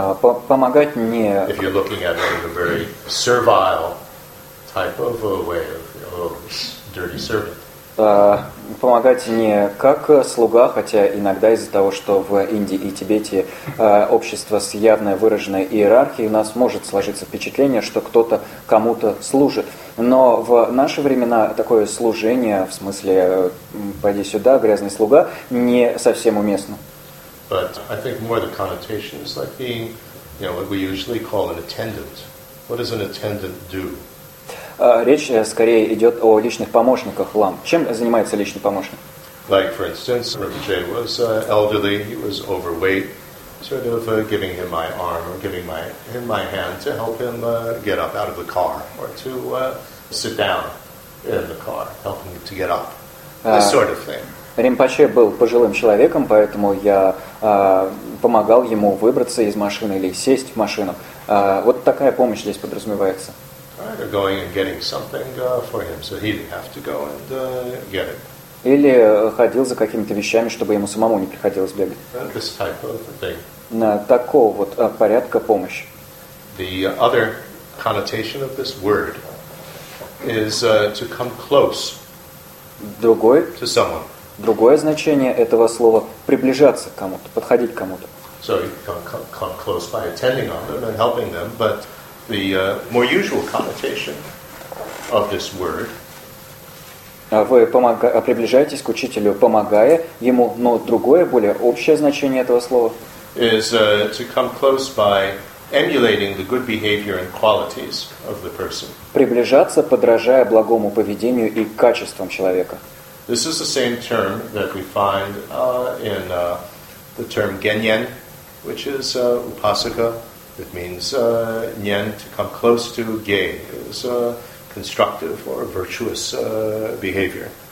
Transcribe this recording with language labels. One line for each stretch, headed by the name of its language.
English: If you're looking at it in a very servile type of a way of, you know, this dirty servant.
Russian: Помогать не как слуга, хотя иногда из-за того, что в Индии и Тибете общество с явно выраженной иерархией, у нас может сложиться впечатление, что кто-то кому-то служит. Но в наши времена такое служение, в смысле «пойди сюда, грязный слуга», не совсем уместно.
English: But I think more the connotation is like being, you know, what we usually call an attendant. What does an attendant do?
Russian: Речь скорее идет о личных помощниках лам. Чем занимается личный помощник?
English: Like, for instance, Rinpoche was elderly, he was overweight, sort of giving him my arm or giving him my hand to help him get up out of the car or to sit down in the car, helping him to get up. This sort of thing.
Russian: Ринпоче был пожилым человеком, поэтому я помогал ему выбраться из машины или сесть в машину. Вот такая помощь здесь подразумевается.
English: Or going and getting something for him, so he didn't have to go and get it.
Russian: Или ходил за какими-то вещами, чтобы ему самому не приходилось бегать.
English: This type of thing.
Russian: На такого вот порядка помощи.
English: The other connotation of this word is to come close.
Russian: Другое.
English: To someone.
Russian: Другое значение этого слова – приближаться к кому-то, подходить к кому-то.
English: So you come close by attending on them and helping them, but the more usual connotation of this word.
Russian: Вы приближаетесь к учителю, помогая ему, но другое, более общее значение этого слова.
English: Is to come close by emulating the good behavior and qualities of the person.
Russian: Приближаться, подражая благому поведению и качествам человека.
English: This is the same term that we find in the term genyen, which is upasaka. It means nyen, to come close to, ge, is constructive or virtuous behavior.